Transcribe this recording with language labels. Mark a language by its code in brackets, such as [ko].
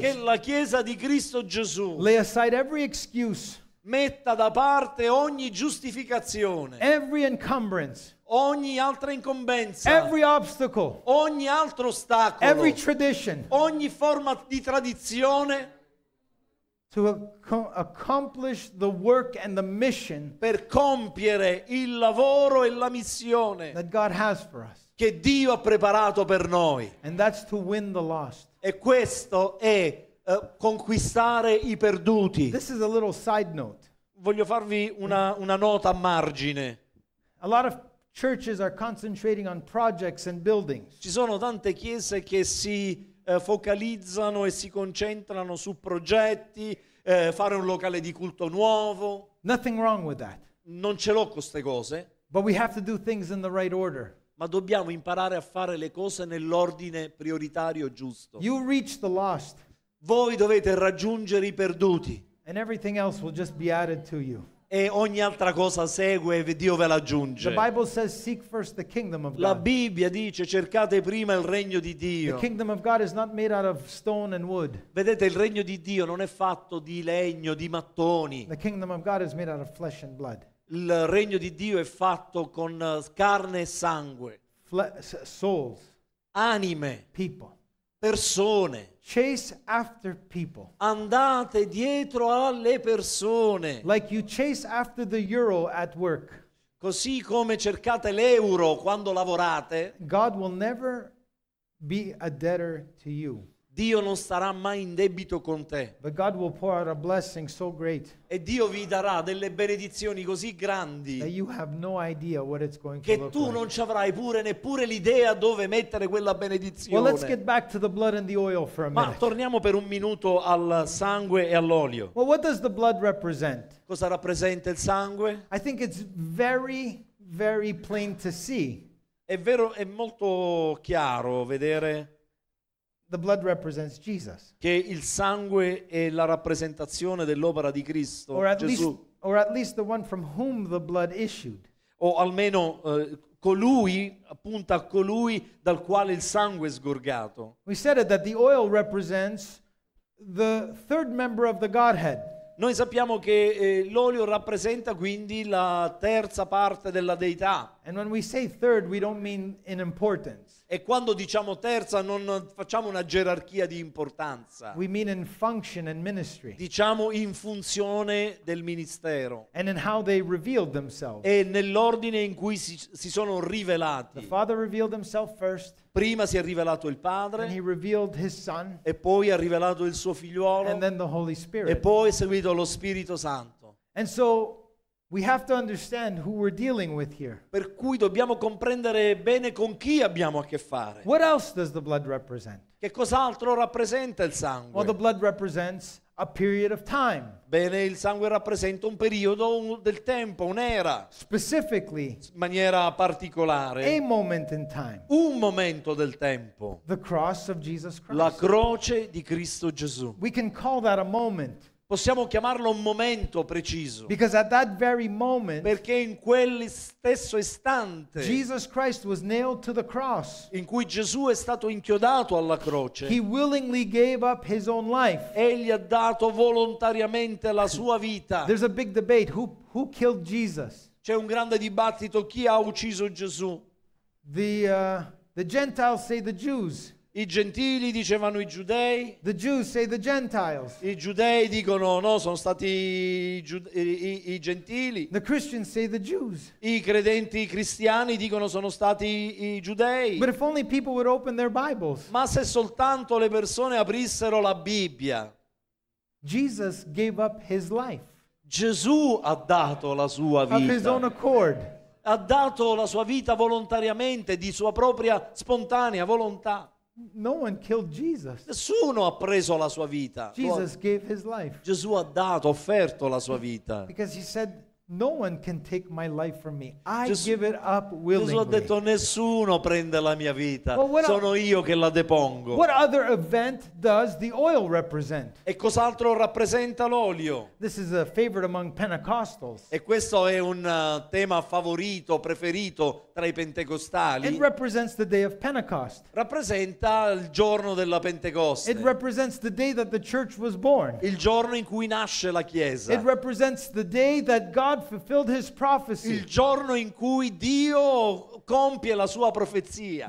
[it] che la Chiesa di Cristo Gesù, [en] lay aside every excuse, [it] metta da parte ogni giustificazione, [en] every encumbrance, [it] ogni altra incombenza, [en] every obstacle, [it] ogni altro ostacolo, [en] every tradition, [it] ogni forma di tradizione, [en] to accomplish the work and the mission, [it] per compiere il lavoro e la missione [en] that God has for us. [it] Che Dio ha preparato per noi. [en] And that's to win the lost. [it] E questo è conquistare i perduti. [en] This is a little side note. [it] Voglio farvi una nota a margine. [en] A lot of churches are concentrating on projects and buildings. [it] Ci sono tante chiese che si focalizzano e si concentrano su progetti, fare un locale di culto nuovo. [en] Nothing wrong with that. [it] Non ce l'ho con queste cose. [en] But we have to do things in the right order. [it] Ma dobbiamo imparare a fare le cose nell'ordine prioritario giusto. [en] You reach the lost. [it] Voi dovete raggiungere i perduti. [en] And everything else will just be added to you. [it] E ogni altra cosa segue e Dio ve l'aggiunge. [en] The Bible says, "Seek first the kingdom of God." [it] La Bibbia dice cercate prima il regno di Dio. [en] The kingdom of God is not made out of stone and wood. [it] Vedete, il regno di Dio non è fatto di legno, di mattoni. [en] The kingdom of God is made out of flesh and blood. [it] Il regno di Dio è fatto con carne e sangue. [en] Souls. [it] Anime. [en] People. [it] Persone. [en] Chase after people. [it] Andate dietro alle persone. [en] Like you chase after the euro at work. [it] Così come cercate l'euro quando lavorate. [en] God will never be a debtor to you. [it] Dio non starà mai in debito con te. [en] But God will pour out a blessing so great. [it] E Dio vi darà delle benedizioni così grandi. [en] That you have no idea what it's going [it] che [en] to look [it] tu [en] like. [it] Non ci avrai pure neppure l'idea dove mettere quella benedizione. [en] Well, let's get back to the blood and the oil for a [it] Ma [en] minute. [it] Torniamo per un minuto al sangue e all'olio. [en] Well, what does the blood represent? [it] Cosa rappresenta il sangue? [en] I think it's very, very plain to see. [it] È vero, è molto chiaro vedere [en] the blood represents Jesus. [it] Che il sangue è la rappresentazione dell'opera di Cristo, Gesù. [en] Or at least the one from whom the blood issued. [it] O almeno colui, appunto a colui dal quale il sangue è sgorgato. [en] We said it, that the oil represents the third member of the Godhead. [it] Noi sappiamo che l'olio rappresenta quindi la terza parte della deità. [en] And when we say third, we don't mean in importance. [it] E quando diciamo terza non facciamo una gerarchia di importanza. [en] We mean in function and ministry. [it] Diciamo in funzione del ministero. [en] And in how they revealed themselves. [it] E nell'ordine in cui si sono rivelati. [en] The Father revealed himself first. [it] Prima si è rivelato il Padre. [en] And he revealed his Son. [it] E poi ha rivelato il suo figliuolo. [en] And then the Holy Spirit. [it] E poi è seguito lo Spirito Santo. [en] And so we have to understand who we're dealing with here. [it] Per cui dobbiamo comprendere bene con chi abbiamo a che fare. [en] What else does the blood represent? [it] Che cos'altro rappresenta il sangue? [en] Well, the blood represents a period of time. [it] Bene, il sangue rappresenta un periodo del tempo, un'era. [en] Specifically, [it] in maniera particolare. [en] A moment in time. [it] Un momento del tempo. [en] The cross of Jesus Christ. [it] La croce di Cristo Gesù. [en] We can call that a moment. [it] Possiamo chiamarlo un momento preciso. [en] Because at that very moment, [it] perché in quel stesso istante, [en] Jesus Christ was nailed to the cross, [it] in cui Gesù è stato inchiodato alla croce, [en] he willingly gave up his own life. [it] Egli ha dato volontariamente la sua vita. [en] There's a big debate, who killed Jesus? [it] C'è un grande dibattito, chi ha ucciso Gesù? [en] The Gentiles say the Jews. [it] I gentili dicevano i giudei. [en] The Jews say the Gentiles. [it] I giudei dicono no, sono stati i gentili. [en] The Christians say the Jews. [it] I credenti cristiani dicono sono stati i giudei. [en] But if only people would open their Bibles. [it] Ma se soltanto le persone aprissero la Bibbia. [en] Jesus gave up his life. [it] Gesù ha dato la sua vita. [en] Of his own accord. [it] Ha dato la sua vita volontariamente, di sua propria spontanea volontà. [en] No one killed Jesus. [it] Nessuno ha preso la sua vita. [en] Jesus gave his life. [it] Gesù ha dato, offerto la sua vita. [en] Because he said, "No one can take my life from me. I give it up willingly." [it] Gesù ha detto, "Nessuno prende la mia vita. Sono io che la depongo." [en] What other event does the oil represent? [it] E cos'altro rappresenta l'olio? [en] This is a favorite among Pentecostals. [it] E questo è un tema favorito, preferito tra i pentecostali. [en] It represents the day of Pentecost. [it] Rappresenta il giorno della Pentecoste. [en] It represents the day that the church was born. [it] Il giorno in cui nasce la chiesa. [en] It represents the day that God fulfilled his prophecy. [it] Il giorno in cui Dio compie la sua profezia.